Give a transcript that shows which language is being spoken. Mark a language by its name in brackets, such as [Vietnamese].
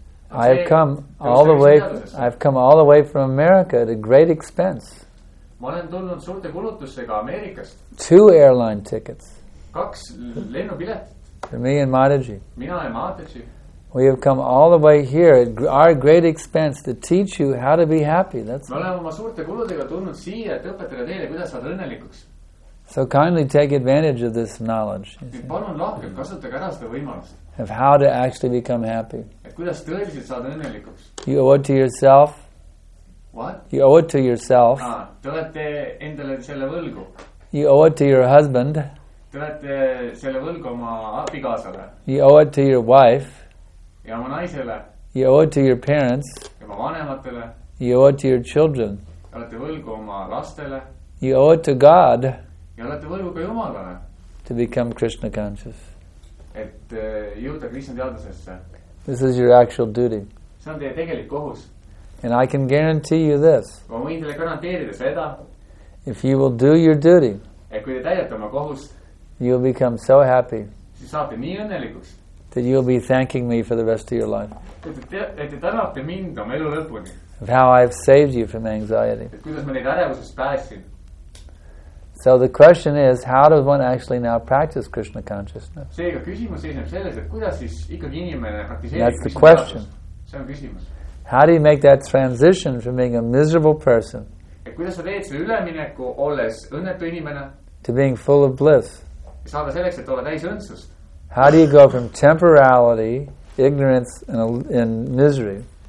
[English] I've come all the way from America at a great expense. [Estonian] Ma olen tulnud suurte kulutusega Amerikast. [English] Two airline tickets. [Estonian] Kaks lennubilet. [English] For me and Mataji. [Estonian] Mina ja Mataji. [English] We have come all the way here at our great expense to teach you how to be happy. That's [Estonian] me oleme oma suurte kuludega tulnud siia, et õpetada teile, kuidas saada õnnelikuks. [English] So kindly take advantage of this knowledge. [Estonian] Palun lahkelt kasutage ära seda võimalust. [English] Of how to actually become happy. [Estonian] Et kuidas tõeliselt saada õnnelikuks. [English] You owe it to yourself. What? You owe it to yourself. [Estonian] Te olete endale selle võlgu. [English] You owe it to your husband. [Estonian] Te olete selle võlgu oma abikaasale. [English] You owe it to your wife. [Estonian] Ja oma naisele. [English] You owe it to your parents. [Estonian] Ja oma vanematele. [English] You owe it to your children. [Estonian] Te olete võlgu oma lastele. [English] You owe it to God. [Estonian] Ja olete võlgu ka Jumalale. [English] To become Krishna conscious. [Estonian] Et jõuda Krishna teadusesse. [English] This is your actual duty. [Estonian] See on teie tegelik kohus. [English] And I can guarantee you this. [Estonian] Ma võin teile garanteerida seda. [English] If you will do your duty, [Estonian] et kui te täidate oma kohust, [English] you will become so happy, [Estonian] siis saate nii õnnelikuks, [English] that you will be thanking me for the rest of your life. [Estonian] Et te tänate mind oma elu lõpuni. [English] Of how I have saved you from anxiety. [Estonian] Et kuidas ma neid ärevusest pääsin. [English] So the question is, how does one actually now practice Krishna consciousness? [Estonian] Seega küsimus seisneb selles, et kuidas siis ikkagi inimene praktiseerib. [English] That's the question. [Estonian] See on küsimus. [English] How do you make that transition from being a miserable person? [Estonian] Et kuidas sa teed selle ülemineku olles õnnetu inimene? [English] To being full of bliss. [Estonian] Saada selleks, et olla täis õndsust. [English] How do you go from temporality, ignorance and misery?